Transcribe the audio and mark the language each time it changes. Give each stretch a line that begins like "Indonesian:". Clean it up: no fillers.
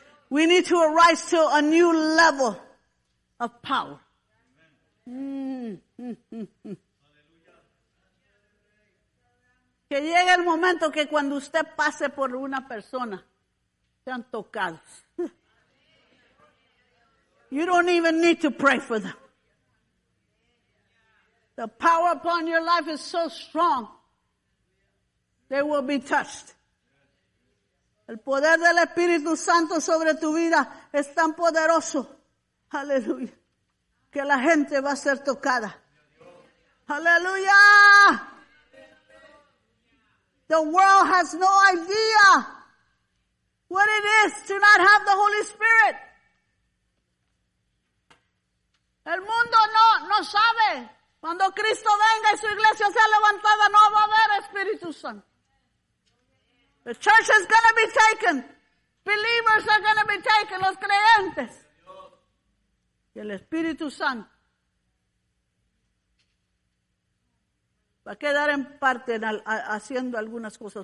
English: We need to arise to a new level of power.
Spanish: Que llegue el momento que cuando usted pase por una persona, sean tocados.
English: You don't even need to pray for them. The power upon your life is so strong, they will be touched.
Spanish: El poder del Espíritu Santo sobre tu vida es tan poderoso, aleluya, que la gente va a ser tocada. Aleluya.
English: The world has no idea what it is to not have the Holy Spirit.
Spanish: El mundo no sabe. Cuando Cristo venga y su iglesia sea levantada, no va a haber Espíritu Santo.
English: The church is going to be taken. Believers are going to be taken.
Spanish: Los creyentes. Y el Espíritu Santo va a quedar en parte haciendo algunas cosas.